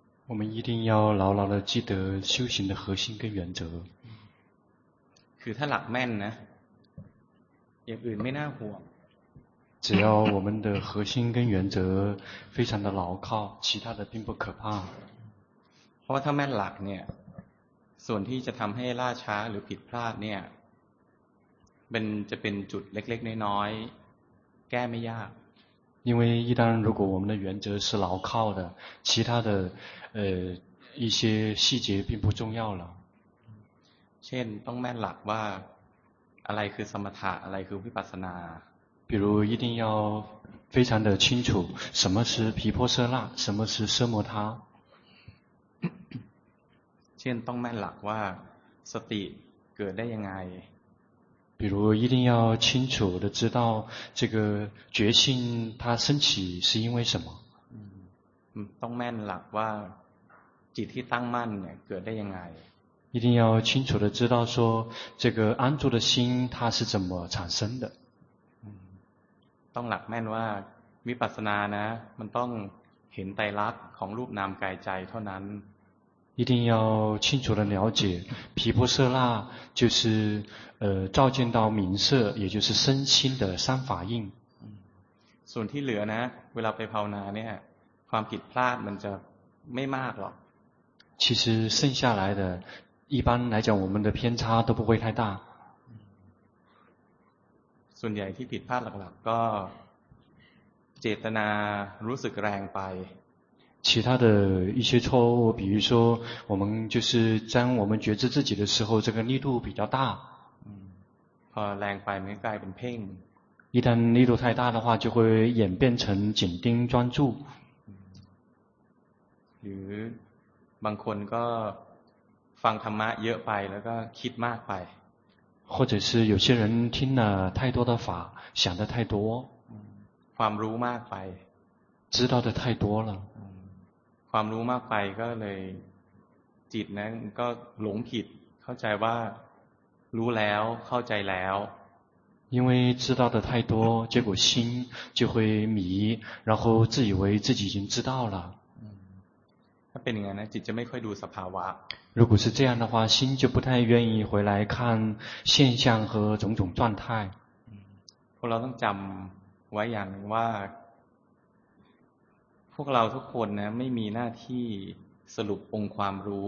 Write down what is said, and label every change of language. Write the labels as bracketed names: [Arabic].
[Chinese] 我们一定要牢牢地记得修行的核心跟原则 [Thai] คือถ้าหลักแม่นนะอย่างอื่นไม่น่าห่วง [Chinese] 只要我们的核心跟原则非常的牢靠其他的并不可怕 [Thai] เพราะถ้าแม่นหลักเนี่ยส่วนที่จะทำให้ล่าช้าหรือผิดพลาดเนี่ยมันจะเป็นจุดเล็กๆน้อยๆแก้ไม่ยาก [Chinese] 因为一旦如果我们的原则是牢靠的其他的一些细节并不重要了 [Thai] เช่นต้องแม่นหลักว่าอะไรคือสมถะอะไรคือวิปัสสนา [Chinese] 比如一定要非常的清楚什么是毗婆舍那什么是奢摩他 [Thai] เช่นต้องแม่นหลักว่าสติเกิดได้ยังไง [Chinese] 比如一定要清楚的知道这个觉性它升起是因为什么 [Thai] ต้องแม่นหลักว่าจิตที่ตั้งมั่นเนี่ยเกิดได้ยังไง [Chinese] 一定要清楚的知道说这个安住的心它是怎么产生的 [Thai] ต้องหลักแม่นว่าวิปัสสนานะมันต้องเห็นไตรลักษณ์ของรูปนามกายใจเท่านั้น [Chinese] 一定要清楚的了解毗婆舍那就是照见到名色也就是身心的三法印 [Thai] ส่วนที่เหลือนะเวลาไปภาวนาเนี่ยความผิดพลาดมันจะไม่มากหรอก [Chinese] 其实剩下来的一般来讲我们的偏差都不会太大 [Thai] ส่วนใหญ่ที่ผิดพลาดหลักๆก็เจตนารู้สึกแรงไป [Chinese] 其他的一些错误比如说我们就是将我们觉知自己的时候这个力度比较大 [Thai] พอแรงไปมันกลายเป็นเพ่ง [Chinese] 一旦力度太大的话就会演变成紧盯专注 [Thai] หรือบางคนก็ฟังธรรมะเยอะไปแล้วก็คิดมากไป [Chinese] 或者是有些人听了太多的法想的太多 [Thai] ความรู้มากไป [Chinese] 知道的太多了 [Thai] ความรู้มากไปก็เลยจิตนั้นก็หลงผิดเข้าใจว่ารู้แล้วเข้าใจแล้ว [Chinese] 因为知道的太多结果心就会迷然后自以为自己已经知道了 [Thai] ถ้าเป็นอย่างนั้นจิตจะไม่ค่อยดูสภาวะ [Chinese] 如果是这样的话心就不太愿意回来看现象和种种状态 [Thai] พวกเราต้องจำไว้อย่างนึงว่าพวกเราทุกคนนะไม่มีหน้าที่สรุปองค์ความรู